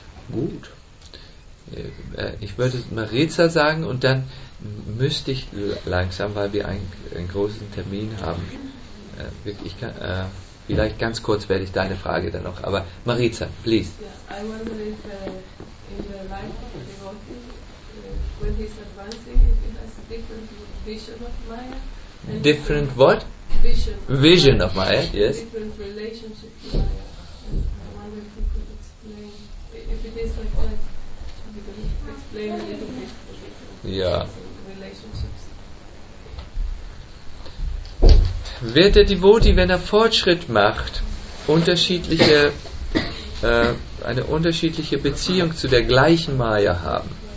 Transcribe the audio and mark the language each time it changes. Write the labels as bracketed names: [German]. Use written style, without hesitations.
[German] Gut. Ich würde Maritza sagen und dann müsste ich langsam, weil wir einen großen Termin haben, ich kann, vielleicht ganz kurz werde ich deine Frage dann noch, aber Maritza, please. [English] Yeah, I wonder if in the life of a devotee, when he's advancing, he has a different vision of Maya. Different what? Vision of Maya, yes. Different relationship to Maya. And I wonder if you could explain, if it is like that, if you could explain a little bit the difference. Yeah. Relationships. [German] Wird der Devoti, wenn er Fortschritt macht, eine unterschiedliche Beziehung zu der gleichen Maya haben?